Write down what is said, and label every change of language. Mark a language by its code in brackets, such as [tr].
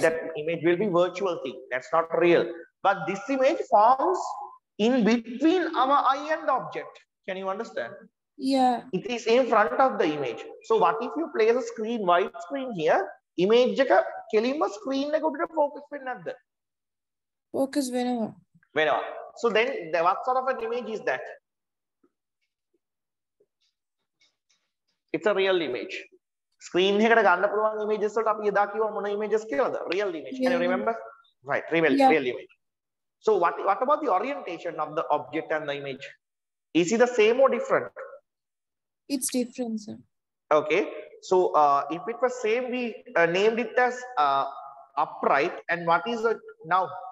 [en] That image will be virtual thing. That's not real. But this image forms in between our eye and the object. Can you understand? Yeah. It is in front of the image. So what if you place a screen, white screen here? [si] Image එක kelima screen එක උඩට focus වෙන්නේ නැද්ද? Focus වෙනවා. වෙනවා. [en] So then the, what sort of an image is that? It's a real image. [si] Screen එකට ගන්න පුළුවන් images වලට අපි එදා කිව්වා මොන images කියලාද? [en] Real image. Can you remember? Right, real, yeah, real image. So what about the orientation of the object and the image? Is it the same or different? It's different, sir. Okay. So if it was same, we named it as upright. And what is it now?